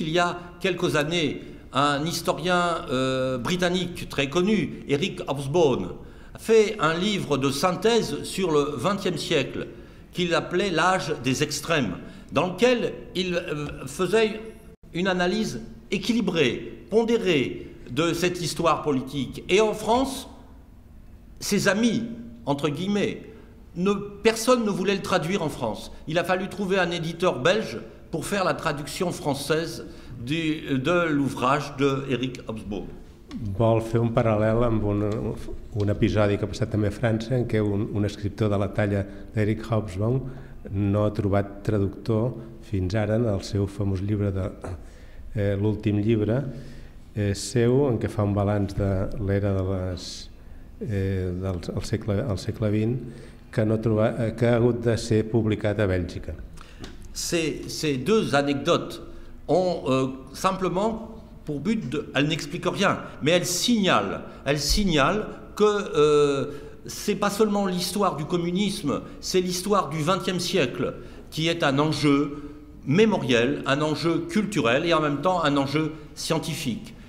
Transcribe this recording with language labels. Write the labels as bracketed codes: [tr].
[fr] Il y a quelques années, un historien britannique très connu, Eric Hobsbawm, fait un livre de synthèse sur le XXe siècle qu'il appelait « L'âge des extrêmes », dans lequel il faisait une analyse équilibrée, pondérée de cette histoire politique. Et en France, ses amis, entre guillemets, personne ne voulait le traduire en France. Il a fallu trouver un éditeur belge pour faire la traduction française de l'ouvrage d'Eric Hobsbawm. [ca] Vol fer un paral·lel amb un episodi que ha passat també a França, en què un escriptor de la talla d'Eric Hobsbawm no ha trobat traductor fins ara en el seu famós llibre, l'últim llibre seu, en què fa un balanç de l'era del segle XX, que ha hagut de ser publicat a Bèlgica. [fr] Ces deux anecdotes ont simplement pour but, elles n'expliquent rien, mais elles signalent que c'est pas seulement l'histoire du communisme, c'est l'histoire du XXe siècle qui est un enjeu mémoriel, un enjeu culturel et en même temps un enjeu scientifique.